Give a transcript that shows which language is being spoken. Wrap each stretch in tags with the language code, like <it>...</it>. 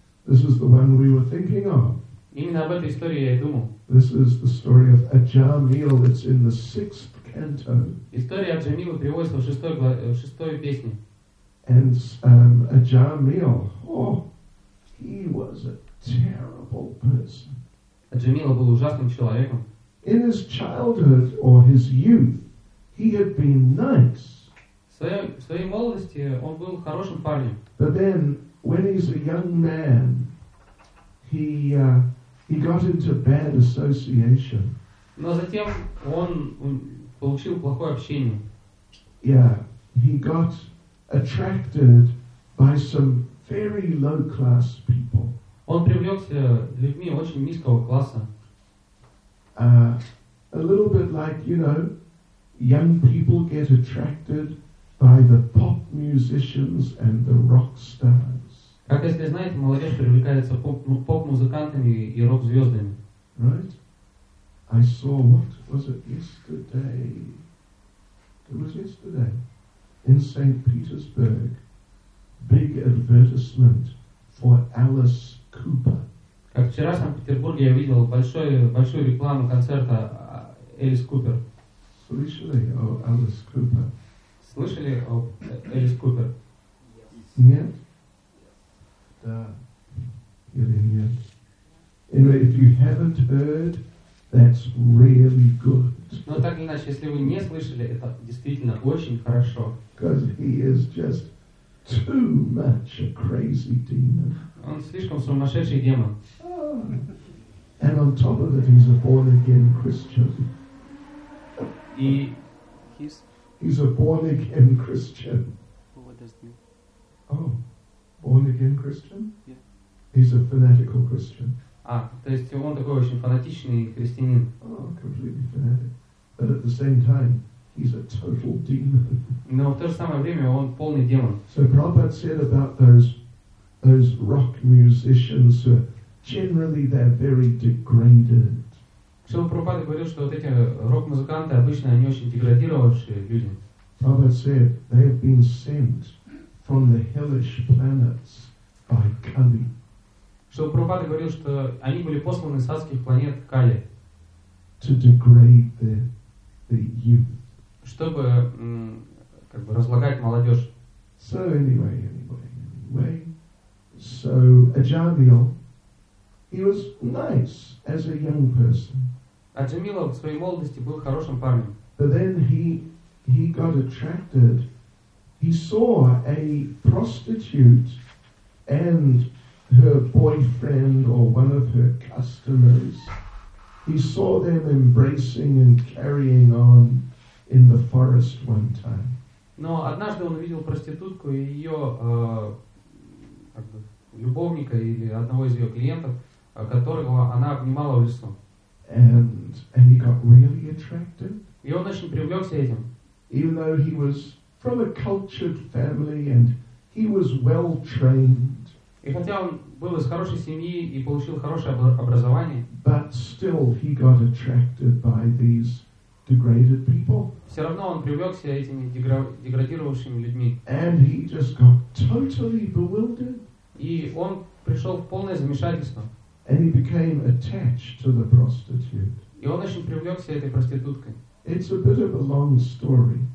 <en>This is the one we were thinking of.</en> <ru>Именно об этой истории я и думал.</ru> <en>This is the story of Ajamil. It's in the sixth canto.</en> <ru>История Аджамилы приводится в шестой песне.</ru> <en>And Ajamil, oh, he was a terrible person.</en> <ru>Джамила был ужасным человеком.</ru> <en>In his childhood or his youth, he had been nice.</en> <ru>В своей молодости он был хорошим парнем.</ru> <en>But then, when he's a young man, he got into bad association.</en> <ru>Но затем он получил плохое общение.</ru> <en>Yeah, he got attracted by some very low-class people.</en> <ru>Он привлекся людьми очень низкого класса.</ru> <en>A little bit like, you know, young people get attracted by the pop musicians and the rock stars.</en> <ru>Как если знаете, молодежь привлекается поп-музыкантами и рок-звездами.</ru> <en>Right? I saw, what was it yesterday? It was yesterday. In St. Petersburg, big advertisement for Alice Cooper.</en> <ru>Как вчера в Санкт-Петербурге я видел большую рекламу концерта Элис Купер. Слышали о Элис Купер? Слышали о Элис Купер? Нет? Да. Или нет?</ru> <en>Anyway, if you haven't heard, that's really good.</en> <ru>Но так или иначе, если вы не слышали, это действительно очень хорошо.</ru> <en>Because he is just too much a crazy demon.</en> <ru>Он слишком сумасшедший демон.</ru> <en>And on top of it, he's a born-again Christian. He's a born-again Christian. Well, what does it mean? Oh, born-again Christian? Yeah. He's a fanatical Christian.</en> <ru>То есть он такой очень фанатичный христианин.</ru> <en>Oh, completely fanatic. But at the same time, he's a total demon.</en> <ru>Но в то же самое время он полный демон.</ru> <en>So Prabhupada said about those rock musicians who generally they're very degraded.</en> <ru>So Prabhupada говорил, что вот эти рок-музыканты обычно они очень деградировавшие люди.</ru> <en>Prabhupada said they have been sent from the hellish planets by Kali.</en> <ru>So Prabhupada говорил, что они были посланы с адских планет Кали.</ru> <en>To degrade the youth.</en> <ru>Чтобы как бы разлагать молодежь.</ru> <en>So anyway. So Ajamil, he was nice as a young person.</en> <ru>Аджамила в своей молодости был хорошим парнем.</ru> <en>But then he got attracted. He saw a prostitute and her boyfriend or one of her customers. He saw them embracing and carrying on in the forest one time.</en> <ru>Но однажды он увидел проститутку и ее любовника или одного из ее клиентов, которого она обнимала в лесу.</ru> <en>And he got really attracted.</en> <ru>И он очень привлекся этим.</ru> <en>Even though he was from a cultured family and he was well trained.</en> <ru>И хотя он был из хорошей семьи и получил хорошее образование.</ru> <en>But still he got attracted by these degraded people.</en> <ru>Все равно он привлекся этими деградировавшими людьми.</ru> <en>And he just got totally bewildered.</en> <ru>И он пришел в полное замешательство.</ru> <en>And he became attached to the prostitute.</en> <ru>И он очень привлекся этой проституткой.</ru> <en>It's a bit of a long story.</en>